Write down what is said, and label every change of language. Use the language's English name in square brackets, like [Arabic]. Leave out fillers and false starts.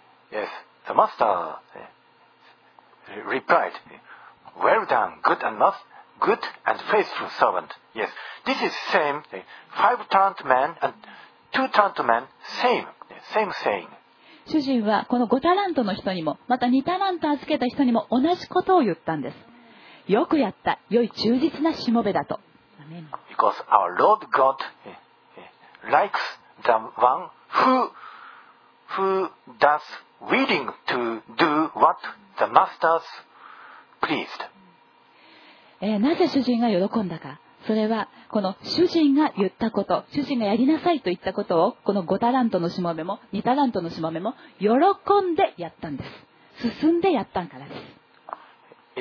[English] Yes, the master replied, "Well done, good and faithful servant." Yes, this is same. Five talent man and two talent man, same saying. [Japanese] 主人はこの5タラントの人にも、また2タラント預けた人にも同じことを言ったんです。よくやった。良い忠実なしもべだと。 [English] Because our Lord God likes the one who does willing to do what the master's pleased. [Japanese] なぜ主人が喜んだか。それはこの主人が言ったこと、主人がやりなさいと言ったことをこの5タラントのしもべも2タラントのしもべも喜んでやったんです。進んでやったんからです。